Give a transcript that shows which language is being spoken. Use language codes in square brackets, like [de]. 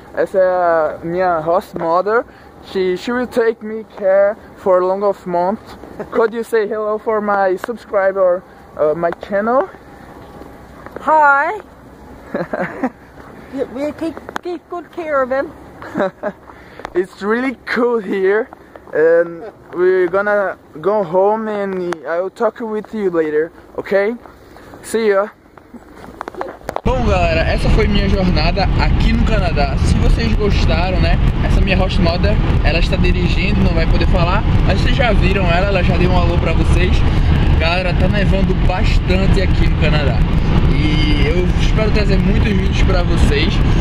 [pt] Essa é a minha host mother. [en] She will take me care for a long of month. Could you say hello for my subscriber, my channel? Hi. We take good care of him. It's really cool here. And we're gonna go home and I'll talk with you later, ok? See ya! [pt] Bom galera, essa foi minha jornada aqui no Canadá. Se vocês gostaram, né? Essa minha host mother, ela está dirigindo, não vai poder falar. Mas vocês já viram ela já deu um alô pra vocês. Galera, tá nevando bastante aqui no Canadá. E eu espero trazer muitos vídeos pra vocês.